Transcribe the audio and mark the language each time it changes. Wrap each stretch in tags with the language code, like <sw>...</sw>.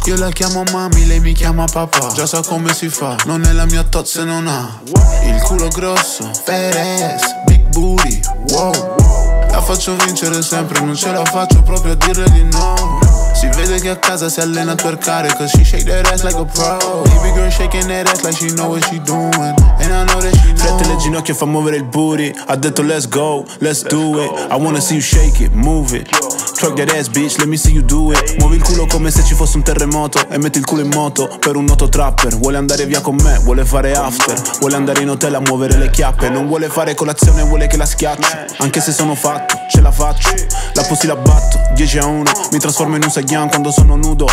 <it>Io la chiamo mami, lei mi chiama papà, già sa come si fa, non è la mia tozza se non ha il culo grosso,</it> <en>fat ass, big booty, wow.</en> <it>La faccio vincere sempre, non ce la faccio proprio a dirle di no. Si vede che a casa si allena a twerkare,</it> <en>cause she shake that ass like a pro. Baby girl shaking that ass like she know what she doing, and I know that she know.</en> <it>Frette le ginocchia, fa muovere il booty. Ha detto</it> <en>let's go, let's do it. I wanna see you shake it, move it. Twerk that ass bitch, let me see you do it.</en> <it>Muovi il culo come se ci fosse un terremoto, e metti il culo in moto per un noto trapper. Vuole andare via con me, vuole fare after. Vuole andare in hotel a muovere le chiappe. Non vuole fare colazione, vuole che la schiacci. Anche se sono fatto, ce la faccio. La pussy la batto, 10-1. Mi trasformo in un Saiyan quando sono nudo.</it>